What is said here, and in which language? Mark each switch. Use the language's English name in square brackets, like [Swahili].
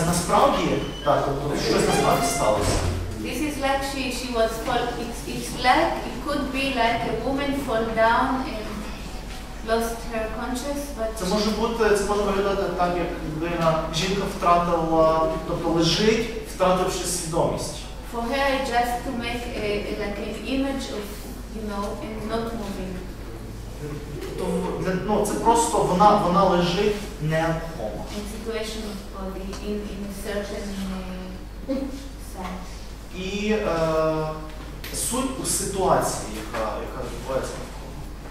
[Ukrainian] Це насправді так, щось насправді сталося. [English] This is like she was fall. It's like it could be like a woman fall down and lost her conscious. But [Ukrainian] це може бути, це може виглядати так, як людина, жінка втратила, тобто лежить, втративши свідомість. [English] For her, just to make a, like an image of, you know, and not moving. [Ukrainian] То, ну, це просто вона лежить не кома. [English] In situation of body, in a certain sense. [Ukrainian] І суть у ситуації, яка відбувається навколо.